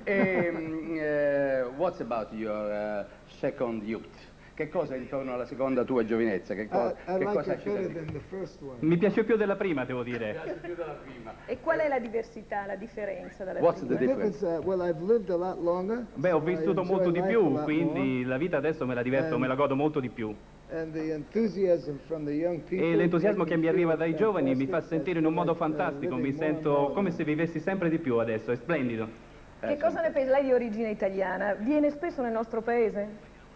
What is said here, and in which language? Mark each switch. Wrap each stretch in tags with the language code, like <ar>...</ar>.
<en>Okay. E what's about your second youth?</en> <it>Che cosa intorno alla seconda tua giovinezza? Che cosa ci sei? Mi piace più della prima, devo dire. E qual è la diversità, la differenza dalla</it> <en>what's</en> <it>prima?</it> <en>The difference? Well, I've lived a lot longer.</en> <it>Beh, ho vissuto molto di più, quindi la vita adesso me la diverto, me la godo molto di più.</it> <en>And the enthusiasm from the young people,</en> <it>e l'entusiasmo che mi arriva dai giovani mi fa sentire in un modo fantastico, mi sento come se vivessi sempre di più adesso, è splendido. Che cosa ne pensi? Lei di origine italiana, viene spesso nel nostro paese?</it>